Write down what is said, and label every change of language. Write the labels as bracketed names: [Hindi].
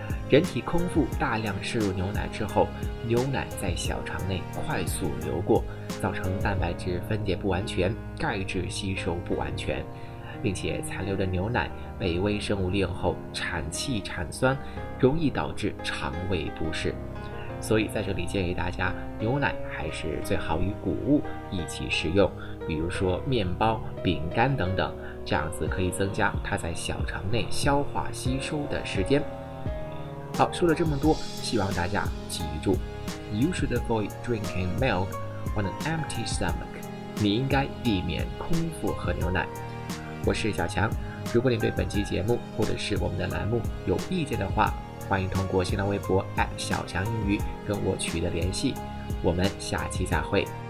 [Chinese] 人体空腹大量摄入牛奶之后，牛奶在小肠内快速流过，造成蛋白质分解不完全，钙质吸收不完全，并且残留的牛奶被微生物利用后产气产酸，容易导致肠胃不适。所以在这里建议大家，牛奶还是最好与谷物一起食用，比如说面包、饼干等等，这样子可以增加它在小肠内消化吸收的时间。好，说了这么多，希望大家记住 [English] You should avoid drinking milk on an empty stomach. [Chinese] 你应该避免空腹喝牛奶。我是小强，如果您对本期节目或者是我们的栏目有意见的话，欢迎通过新浪微博@小强英语跟我取得联系，我们下期再会。